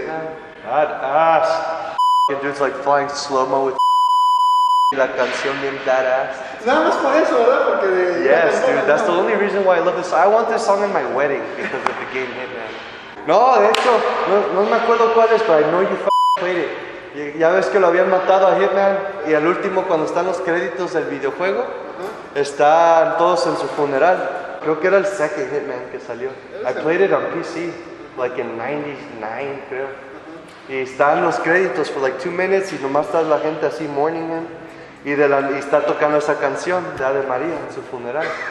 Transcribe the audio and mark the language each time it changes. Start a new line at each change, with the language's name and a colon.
English: Hitman? Bad ass. Fucking dude's like flying slow-mo with
Spanish: la canción bien
English: badass.
Spanish: Nada más por eso, ¿verdad? Porque de...
English: Yes, dude, that's the only reason why I love this. I want this song in my wedding because of the game Hitman.
Spanish: No, de hecho, no me acuerdo cuál es,
English: but I know you played it.
Spanish: Ya ves que lo habían matado a Hitman y al último cuando están los créditos del videojuego están todos en su funeral. Creo que era el second Hitman que salió.
English: I played it on PC, like in 99
Spanish: creo. Y están los créditos
English: for like 2 minutes
Spanish: y nomás está la gente así
English: mourning him
Spanish: y está tocando esa canción de Ave María en su funeral.